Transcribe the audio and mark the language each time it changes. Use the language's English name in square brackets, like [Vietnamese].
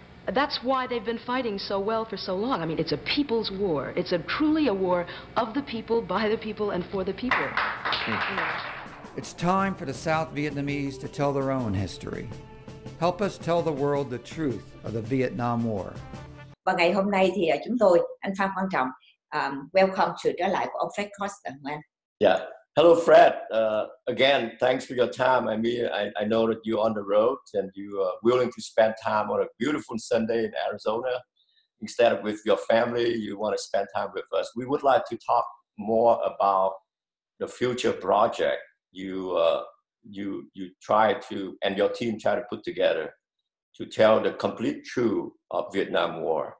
[English] That's why they've been fighting so well for so long. I mean, it's a people's war. It's truly a war of the people, by the people, and for the people. It's time for the South Vietnamese to tell their own history. Help us tell the world the truth of the Vietnam War. [Vietnamese] Và ngày hôm nay thì chúng tôi, anh Phan Quang Trọng, [English] welcome to [Vietnamese] trở lại của ông Fred Koster. [English] Yeah. Hello, Fred. Again, thanks for your time. I mean, I know that you're on the road and you are willing to spend time on a beautiful Sunday in Arizona instead of with your family. You want to spend time with us. We would like to talk more about the future project you try to, and your team try to put together to tell the complete truth of Vietnam War.